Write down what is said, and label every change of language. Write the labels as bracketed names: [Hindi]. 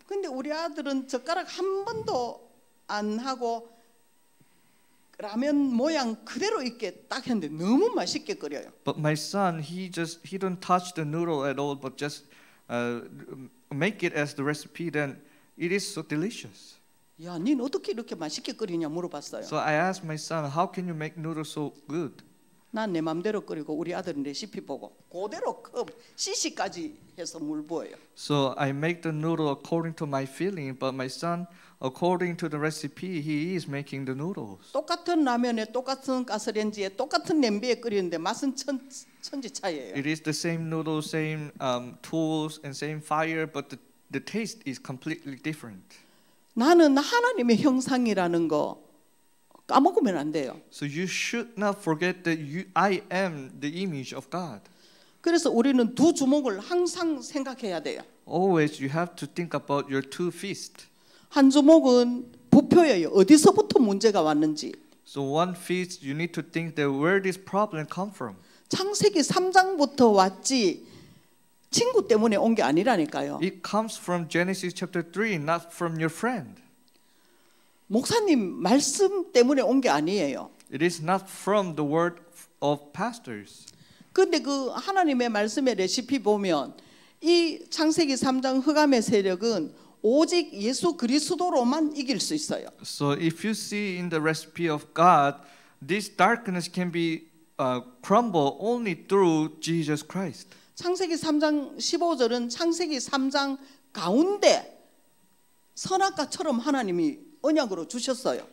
[Korean] 근데 우리 아들은 젓가락 한 번도 안 하고 라면 모양 그대로 있게 딱 했는데 너무 맛있게 끓여요. [English] But my son, he don't touch the noodle at all, but just make it as the recipe. Then it is so delicious. [Korean] 야, 넌 어떻게 이렇게 맛있게 끓이냐 물어봤어요. [English] So I asked my son, how can you make noodle so good? [Korean] 난 내 맘대로 끓이고 우리 아들은 레시피 보고 그대로 그 cc까지 해서 물 부어요. [English] So I make the noodle according to my feeling, but my son, according to the recipe, he is making the noodles. [Korean] 똑같은 라면에 똑같은 가스레인지에 똑같은 냄비에 끓이는데 맛은 천지 차이예요. [English] It is the same noodle, same tools and same fire, but the taste is completely different. [Korean] 나는 하나님의 형상이라는 거 까먹으면 안 돼요. [English] So you should not forget that I am the image of God. [Korean] 그래서 우리는 두 주먹을 항상 생각해야 돼요. [English] Always you have to think about your two fists. [Korean] 한 주먹은 부표예요. 어디서부터 문제가 왔는지. [English] So one fist you need to think that where this problem come from. [Korean] 창세기 3장부터 왔지. 친구 때문에 온 게 아니라니까요. [English] It comes from Genesis chapter 3, not from your friend. [Korean] 목사님 말씀 때문에 온 게 아니에요. [English] It is not from the word of pastors. [Korean] 근데 그 하나님의 말씀의 레시피 보면 이 창세기 3장 흑암의 세력은 오직 예수 그리스도로만 이길 수 있어요. [English] So if you see in the recipe of God, this darkness can be crumbled only through Jesus Christ. [Korean] 창세기 3장 15절은 창세기 3장 가운데 선악과처럼 하나님이 언약으로 주셨어요.